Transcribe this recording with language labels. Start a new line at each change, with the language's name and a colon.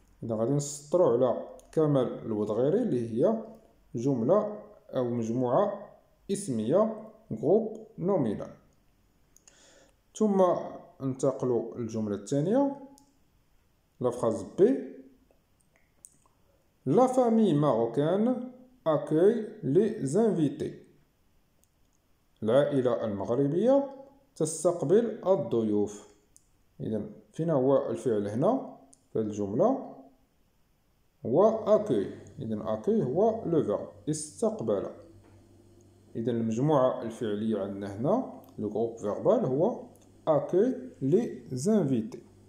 Arabic: إذا غادي نسطروا على كمال الود غيري اللي هي جملة أو مجموعة اسمية غروب نومينا. ثم ننتقل للجملة الثانية لا فراز بي.
French: La famille marocaine accueille les invités.
Arabic: العائلة المغربية تستقبل الضيوف. إذا فين هو الفعل هنا في الجملة؟ هو accueille. إذا accueille هو لو فيرب استقبل. إذا المجموعة الفعلية عندنا هنا لو غروب فيربال هو
French: accueille les invités.